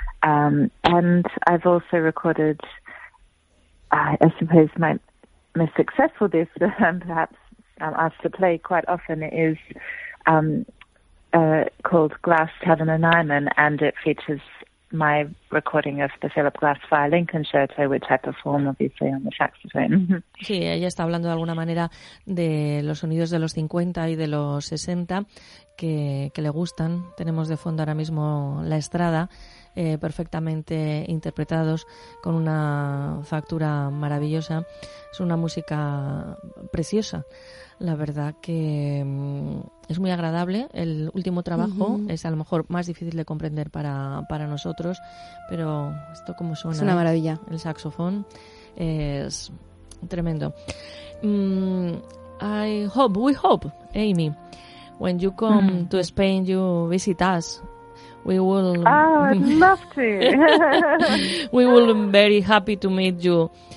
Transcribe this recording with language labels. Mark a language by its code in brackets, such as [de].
[en] And I've also recorded, I suppose, my most successful disc that I'm perhaps asked to play quite often is called Glass Tavern and Nyman, and it features my recording of the Philip Glass Violin Concerto, which I perform obviously on the saxophone. [es] Sí, ella está hablando de alguna manera de los sonidos de los 50 y de los 60 que le gustan. Tenemos de fondo ahora mismo La Estrada, perfectamente interpretados, con una factura maravillosa. Es una música preciosa. La verdad que es muy agradable. El último trabajo es a lo mejor más difícil de comprender para nosotros, pero esto como suena. Es una maravilla. El saxofón es tremendo. [en] We hope, Amy, when you come to Spain, you visit us. We will. Oh, I'd love to. We will be very happy to meet you.